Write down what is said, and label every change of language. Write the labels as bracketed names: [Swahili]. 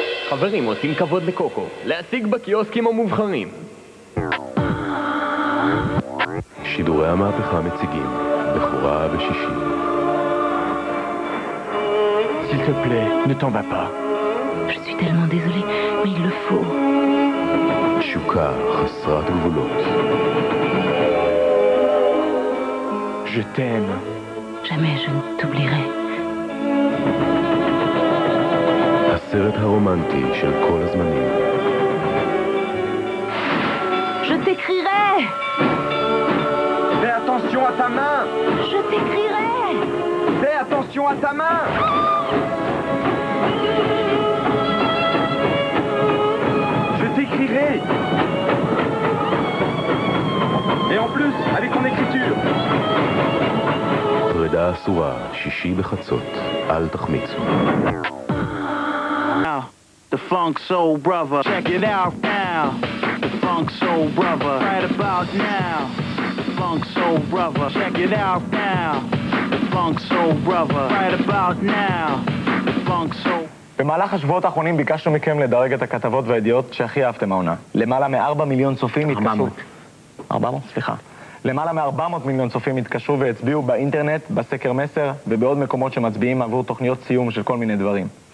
[Hebrew] חברים עושים כבוד לקוקו, להציג בקיוסקים המובחרים. שידורי המהפכה מציגים בחורה בשישי. [French] S'il te plaît, ne t'en va pas. Je suis tellement désolé, mais il le faut. [Hebrew] תשוקה חסרת גבולות. [French] Je t'aime. Jamais je ne t'oublierai. [Hebrew] הסרט הרומנטי של כל הזמנים. [French] Je t'écrirai. Fais attention à ta main. Je t'écrirai. Fais attention à ta main. Je t'écrirai. Et en plus, avec ton écriture. [Hebrew] פרידה אסורה, שישי בחצות, אל תחמיצו. [English] The funk soul brother, check it out now. The funk soul brother, right about now. The funk soul brother, check it out now. The funk soul brother, right about now. The funk soul. [Hebrew] במהלך השבועות האחרונים ביקשנו מכם לדרג את הכתבות והידיעות שהכי אהבתם העונה. למעלה מ-4 מיליון צופים התקשרו. 400, סליחה. למעלה מ-400 מיליון צופים התקשרו והצביעו באינטרנט, בסקר מסר ובעוד מקומות שמצביעים עבור תוכניות סיום של כל מיני דברים.